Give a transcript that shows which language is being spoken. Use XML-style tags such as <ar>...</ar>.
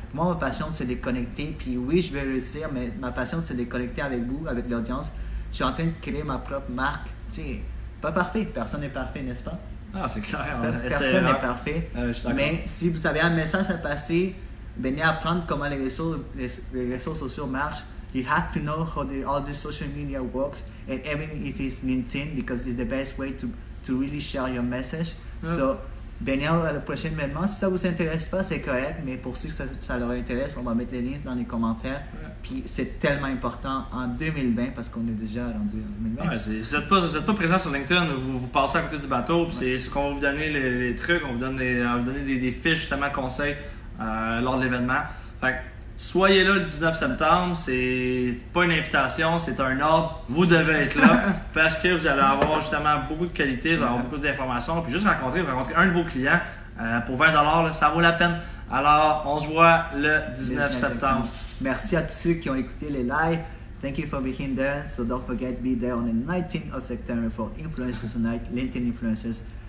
<fr>Moi, ma passion c'est de connecter, puis oui, je vais réussir, mais ma passion c'est de connecter avec vous, avec l'audience. Je suis en train de créer ma propre marque. Tu sais, pas parfait, personne n'est parfait, n'est-ce pas? Personne n'est parfait. Mais si vous avez un message à passer, venez apprendre comment les réseaux sociaux marchent.</fr> <en>You have to know how all the social media works, and even if it's LinkedIn, because it's the best way to really share your message.</en> <fr>Yeah. So, venez à la prochaine événement. Si ça vous intéresse pas, c'est correct, mais pour ceux que ça leur intéresse, on va mettre les liens dans les commentaires. Yeah. Puis c'est tellement important en 2020 parce qu'on est déjà rendu en 2020. Vous êtes pas présent sur LinkedIn, vous passez à côté du bateau, puis c'est ce qu'on va vous donner les trucs, on va vous donner des fiches, justement, conseils. Lors de l'événement. Fait que, soyez là le 19 septembre, c'est pas une invitation, c'est un ordre. Vous devez être là parce que vous allez avoir justement beaucoup de qualité, vous allez avoir beaucoup d'informations. Puis juste rencontrer un de vos clients pour 20$, là, ça vaut la peine. Alors, on se voit le 19 septembre. Merci à tous ceux qui ont écouté les lives.</fr> <en>Thank you for being there. So don't forget to be there on the 19th of September for Influencers Tonight, LinkedIn Influencers.</en>